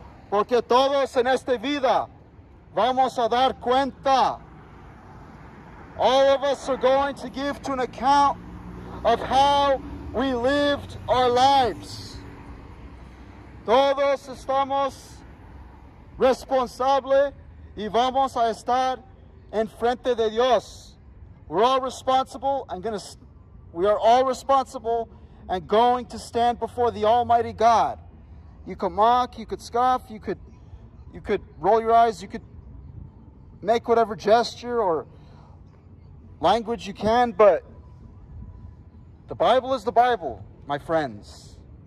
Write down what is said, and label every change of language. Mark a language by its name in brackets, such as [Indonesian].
[Spanish] Porque todos en esta vida vamos a dar cuenta. [English] All of us are going to give to an account of how we lived our lives. [Spanish] Todos estamos responsables y vamos a estar en frente de Dios. [English] We're all responsible. We are all responsible and going to stand before the Almighty God. You could mock, you could scoff, you could roll your eyes, you could make whatever gesture or language you can, but the Bible is the Bible, my friends.